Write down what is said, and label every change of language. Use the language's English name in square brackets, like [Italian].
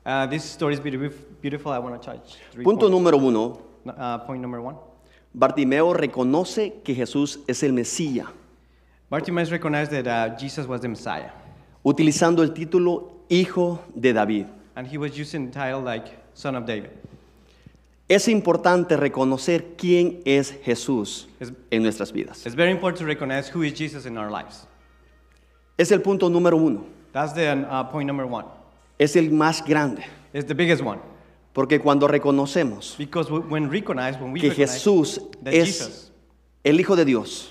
[English] This story is beautiful. I want to touch three [Spanish] Punto [English] points. [Spanish] Número uno. [English] Point number one. [Spanish] Bartimeo reconoce que Jesús es el Mesías. Bartimeo reconoce que Jesús es el Mesías. Utilizando el título Hijo de David. [English] And he was using the title like Son of David. [Spanish] Es importante reconocer quién es Jesús en nuestras vidas. [English] It's very important to recognize who is Jesus in our lives. [Spanish] Es el punto número uno. [English] That's the point number one. [Spanish] Es el más grande. [English] It's the biggest one. [Spanish] Porque cuando reconocemos [English] when we [Spanish] que Jesús es el Hijo de Dios,